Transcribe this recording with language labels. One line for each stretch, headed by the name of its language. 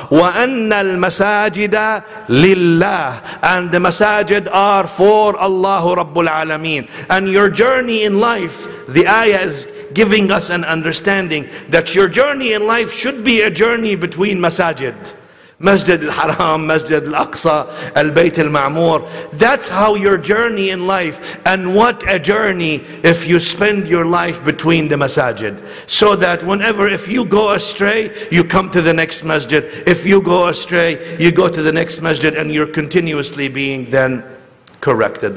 Arabic: Wa anna al-masajida lillah.
English: And the masajid are for Allahu Rabbul Alameen. And your journey in life, the ayah is giving us an understanding that your journey in life should be a journey between masajid.
Arabic: مسجد الحرام, مسجد الأقصى, البيت المعمور.
English: That's how your journey in life. And what a journey if you spend your life between the masajid. So that whenever, if you go astray, you come to the next masjid. If you go astray, you go to the next masjid, and you're continuously being then corrected.